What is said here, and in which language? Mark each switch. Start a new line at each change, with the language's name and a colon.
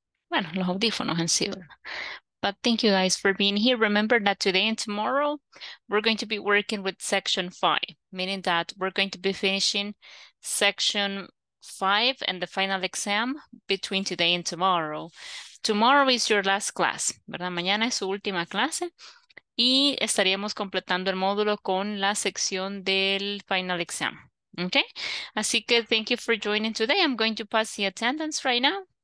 Spanish: Bueno, los audífonos en sí.
English: But thank you guys for being here. Remember that today and tomorrow, we're going to be working with section 5, meaning that we're going to be finishing section 5 and the final exam between today and tomorrow. Tomorrow is your last class, ¿verdad?
Spanish: Mañana es su última clase y estaríamos completando el módulo con la sección del final exam, ¿okay? Así que
English: thank you for joining today. I'm going to pass the attendance right now.